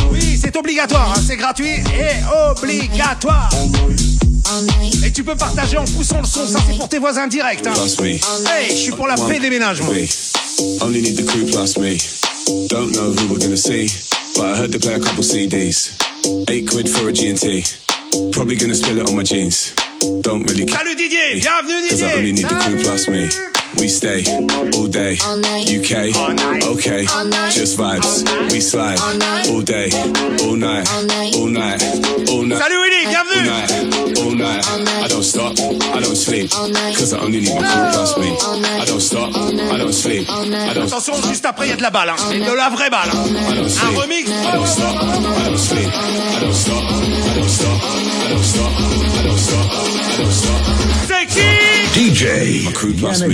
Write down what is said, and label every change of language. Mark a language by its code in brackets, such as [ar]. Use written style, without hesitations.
[fr] Oui, c'est obligatoire, hein, c'est gratuit et obligatoire. Et tu peux partager en poussant le son, ça c'est pour tes voisins directs. Hein. Hey, je suis pour la paix des ménages. Moi. [en] Only need the crew plus me. Don't know who we're gonna see, but I heard they play a couple CDs. 8 quid for a G&T. Probably gonna spill it on my jeans. Don't really care. [fr] Salut Didier, bienvenue Didier. [en] Cause I only need the crew plus me. We stay all day, UK, okay, just vibes. We slide all day, all night, all night, all night. [fr] Salut Winnie, bienvenue. [en] All night, all night. I don't stop, I don't sleep, cause I only need my crew plus me. I don't stop, I don't sleep. [fr] Attention, juste après, il y a de la balle, de la vraie balle. Un remix. [en] I don't stop, I don't sleep. I don't stop, I don't stop, I don't stop, I don't stop, I don't stop.